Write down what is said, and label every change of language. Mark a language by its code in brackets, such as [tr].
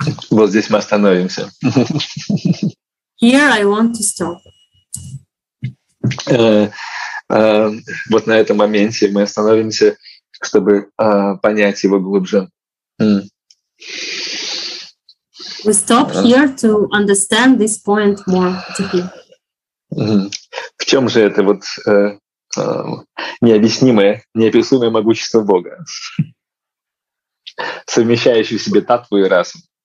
[ru] Вот здесь мы остановимся. [en] Here I want to stop. [ru] Вот на этом моменте мы остановимся, чтобы понять его глубже. [en] We stop here to understand this point more deeply. [ru] В чем же это вот необъяснимое, неописуемое могущество Бога, совмещающее в себе татву и расу?